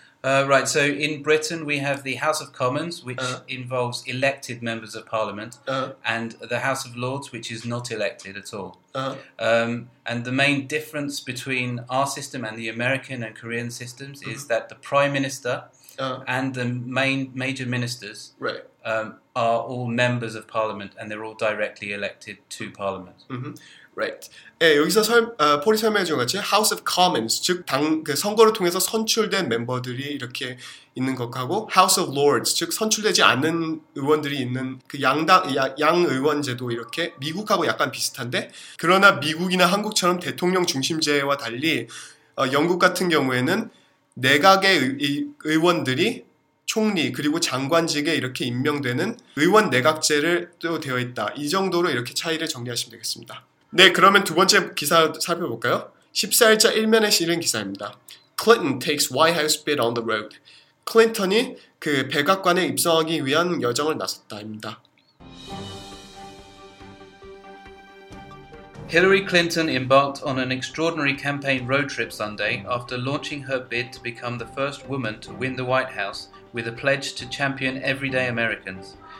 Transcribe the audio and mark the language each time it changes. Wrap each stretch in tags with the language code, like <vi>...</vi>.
<en>Right, so in Britain we have the House of Commons, which involves elected members of Parliament, and the House of Lords, which is not elected at all. And the main difference between our system and the American and Korean systems is that the Prime Minister and the major ministers are all members of Parliament, and they're all directly elected to Parliament. Mm-hmm. Right.</en> <ko>예, 여기서 폴이 설명해 준 것 같이 House of Commons, 즉 그 선거를 통해서 선출된 멤버들이 이렇게 있는 것하고 House of Lords, 즉 선출되지 않은 의원들이 있는 그 양의원제도 이렇게 미국하고 약간 비슷한데 그러나 미국이나 한국처럼 대통령 중심제와 달리 영국 같은 경우에는 내각의 의원들이 총리 그리고 장관직에 이렇게 임명되는 의원 내각제를 또 되어 있다. 이 정도로 이렇게 차이를 정리하시면 되겠습니다. 네, 그러면 두 번째 기사 살펴볼까요? 14일자 1면에 실린 기사입니다.</ko> <en>Clinton takes White House bid on the road.</en> <ko>클린턴이 그 백악관에 입성하기 위한 여정을 나섰다입니다.</ko> <en>Hillary Clinton embarked on an extraordinary campaign road trip Sunday after launching her bid to become the first woman to win the White House with a pledge to champion everyday Americans.</en>